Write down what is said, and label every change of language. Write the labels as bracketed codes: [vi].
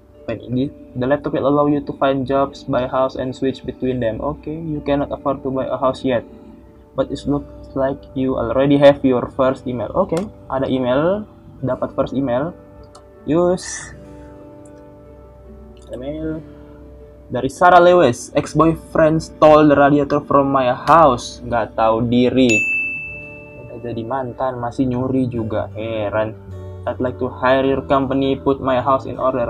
[en] The laptop will allow you to find jobs, buy house, and switch between them. Oke, you cannot afford to buy a house yet. But it looks like you already have your first email. [id] Oke, ada email. Dapat first email. Use email dari Sarah Lewis. [en] Ex-boyfriend stole the radiator from my house. [id] Nggak tahu diri. Udah jadi mantan masih nyuri juga. Heran. [en] I'd like to hire your company, put my house in order.